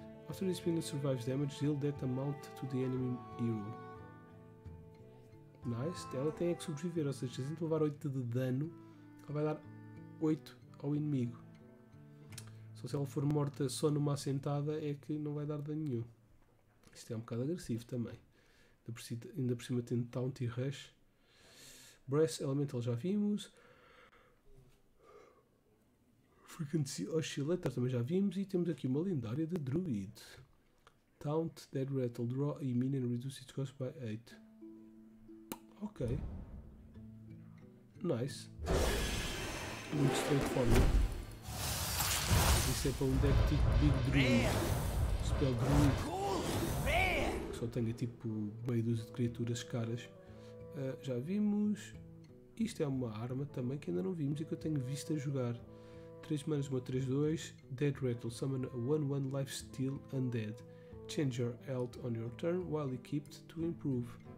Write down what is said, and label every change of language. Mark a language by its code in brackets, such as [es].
[en] After this minion survives damage, deal that amount to the enemy hero. Nice. [pt] Ela tem é que sobreviver, ou seja, se a gente levar 8 de dano, ela vai dar 8 ao inimigo. Ou se ela for morta só numa assentada, é que não vai dar dano nenhum. Isto é um bocado agressivo também. Ainda por cima tem Taunt e Rush. Breath Elemental já vimos. Frequency Oscillator também já vimos. E temos aqui uma lendária de Druid. [en] Taunt, Dead Rattle, Draw a Minion, Reduce its cost by 8. Ok. Nice. [pt] Muito straightforward. Isso é para um deck tipo Big Druid, Spell Druid, que só tenha tipo meia dúzia de criaturas caras. Já vimos. Isto é uma arma também que ainda não vimos e que eu tenho visto a jogar. 3 manas, uma 3-2. [en] Dead Rattle. Summon a 1-1 Lifesteal Undead. Change your health on your turn while equipped to improve.